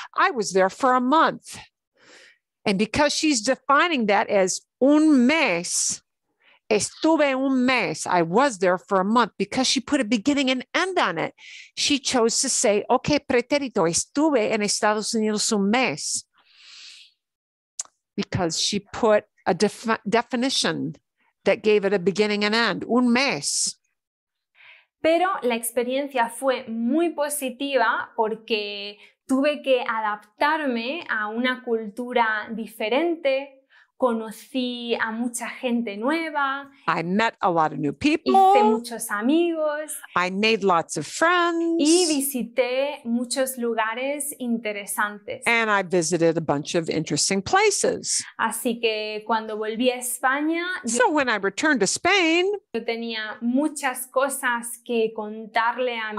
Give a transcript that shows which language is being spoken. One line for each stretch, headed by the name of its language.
English: I was there for a month. And because she's defining that as
Spanish: un mes, estuve un mes,
English: I was there for a month, because she put a beginning and end on it. She chose to say, okay, pretérito,
Spanish: estuve en Estados Unidos un mes.
English: Because she put a definition that gave it a beginning and end, un mes.
Spanish: Pero la experiencia fue muy positiva porque tuve que adaptarme a una cultura diferente. Conocí a mucha gente nueva.
English: I met a lot of new people.
Spanish: Hice muchos amigos.
English: I made lots of friends.
Spanish: Y visité muchos lugares interesantes.
English: And I visited a bunch of interesting places.
Spanish: Así que cuando volví a España,
English: so when I returned to Spain,
Spanish: yo tenía muchas cosas que contarle a mis